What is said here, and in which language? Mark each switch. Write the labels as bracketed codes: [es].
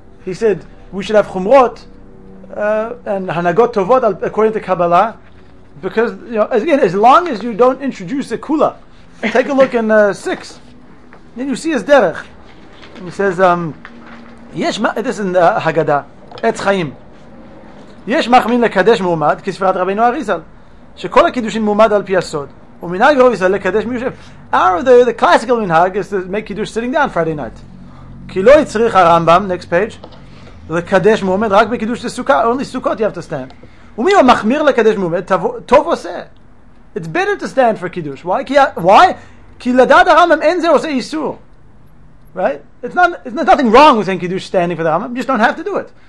[en] He said we should have chumrot and hanagot tovot according to Kabbalah, because you know, again, as long as you don't introduce a kula, take a look in six, then you see his derech. He says yesh ma. This is in the Haggadah, Etz Chaim. [he] יש מחמין לקדש מועמד כספירת רבינו אריזל שכל הקידושים מועמד על פי הסוד ומנהג רוב ישראל לקדש מיושב. [en] Our the classical מנהג is to make קידוש sitting down Friday night, [he] כי לא יצריך הרמב״ם, [en] next page, [he] לקדש מועמד רק בקידוש לסוכה, [en] only סוכות you have to stand. [he] ומי הוא מחמיר לקדש מועמד, טוב עושה. [en] It's better to stand for קידוש. Why? [he] כי לדעת הרמב״ם אין זה עושה איסור. [en] Right? It's nothing wrong with saying קידוש standing for the רמב״ם, you just don't have to do it.